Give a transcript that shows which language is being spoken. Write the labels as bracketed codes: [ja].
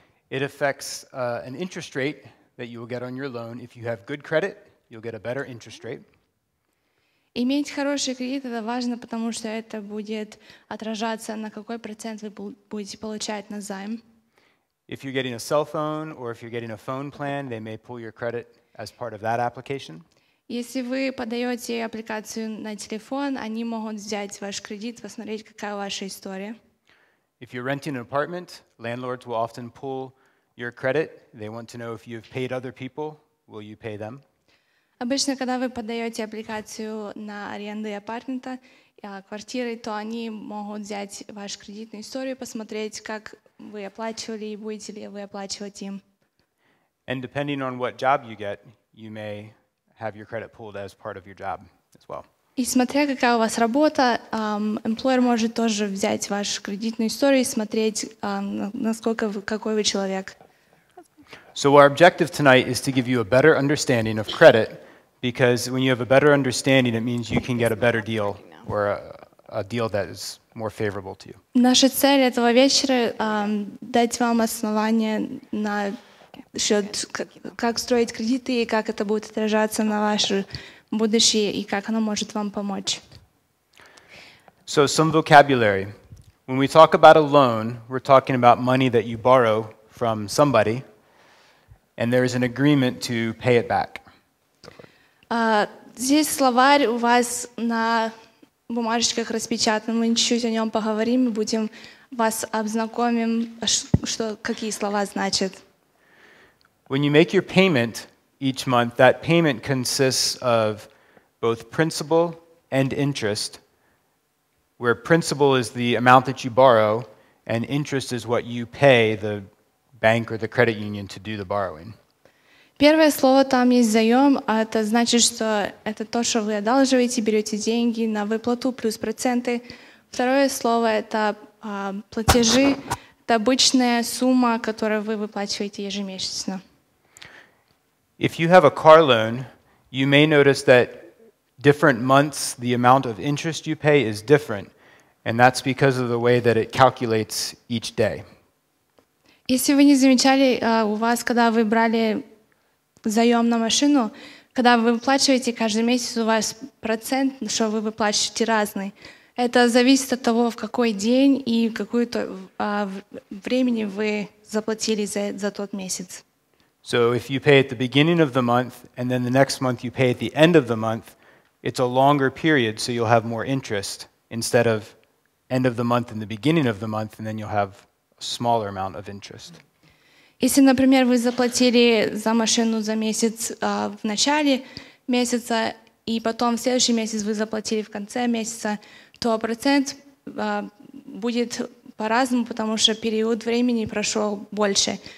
[en] It affects an interest rate that you will get on your loan. If you have good credit, you'll get a better interest rate. [ru] Иметь хороший кредит это важно, потому что это будет отражаться на какой процент вы будете получать на займ. [en] If you're getting a cell phone or if you're getting a phone plan, they may pull your credit as part of that application. [ru] Если вы подаете аппликацию на телефон, они могут взять ваш кредит, посмотреть, какая ваша история. [en] If you're renting an apartment, landlords will often pull your credit. They want to know if you've paid other people. Will you pay them? [ru] Обычно, когда вы подаете аппликацию на аренду апартамента, квартиры, то они могут взять вашу кредитную историю, посмотреть, как вы оплачивали и будете ли вы оплачивать им. [en] And depending on what job you get, you may have your credit pulled as part of your job as well. [ru] И смотря какая у вас работа, employer может тоже взять вашу кредитную историю и смотреть, насколько вы, какой вы человек. [en] So our objective tonight is to give you a better understanding of credit, because when you have a better understanding, it means you can get a better deal or a deal that is more favorable to you. [ru] Наша цель этого вечера дать вам основание на счет, как строить кредиты и как это будет отражаться на вашу будущее и как оно может вам помочь. [en] So some vocabulary. When we talk about a loan, we're talking about money that you borrow from somebody, and there is an agreement to pay it back. [ru] Здесь словарь у вас на бумажечках распечатан. Мы чуть о нем поговорим и будем вас обзнакомим, что какие слова значат. [en] When you make your payment each month, that payment consists of both principal and interest, where principal is the amount that you borrow, and interest is what you pay the bank or the credit union to do the borrowing. [ru] Первое слово там есть заем, а это значит, что это то, что вы одалживаете, берете деньги на выплату плюс проценты. Второе слово это платежи, это обычная сумма, которую вы выплачиваете ежемесячно. [en] If you have a car loan, you may notice that different months, the amount of interest you pay is different, and that's because of the way that it calculates each day. [ru] Если вы не замечали, у вас, когда вы брали заем на машину, Когда вы выплачиваете каждый месяц, у вас процент, что вы выплачиваете, разный. Это зависит от того, в какой день и какое то времени вы заплатили за тот месяц. [en] So if you pay at the beginning of the month and then the next month you pay at the end of the month, it's a longer period, so you'll have more interest instead of end of the month and the beginning of the month, and then you'll have a smaller amount of interest. [ru] Если, например, вы заплатили за машину за месяц в начале месяца, и потом в следующий месяц вы заплатили в конце месяца, то процент будет по-разному, потому что период времени прошел больше.